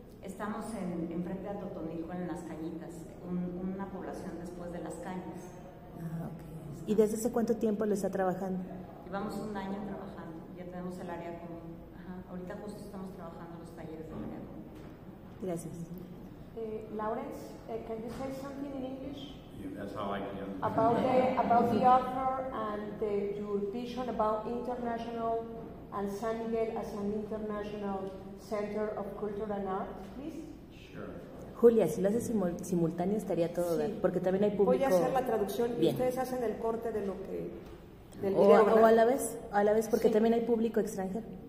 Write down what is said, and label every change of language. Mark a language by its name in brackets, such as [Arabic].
[Spanish] Estamos en frente a Totonilco, en Las Cañitas, una población después de Las Cañas. Okay. ¿Y desde hace cuánto tiempo lo está trabajando? Llevamos un año trabajando, ya tenemos el área común. Ahorita justo estamos trabajando los talleres del área común. Gracias. [English] Lawrence, can you say something in English? Yeah, that's how I can understand. About the offer and your vision about international and San Miguel as an international center of culture and art, please. Sure. [Spanish] Julia, si lo haces simultáneo estaría todo, sí. Porque también hay público. Voy a hacer la traducción y ustedes hacen el corte de lo que del video, ¿verdad? O a la vez, porque sí. También hay público extranjero.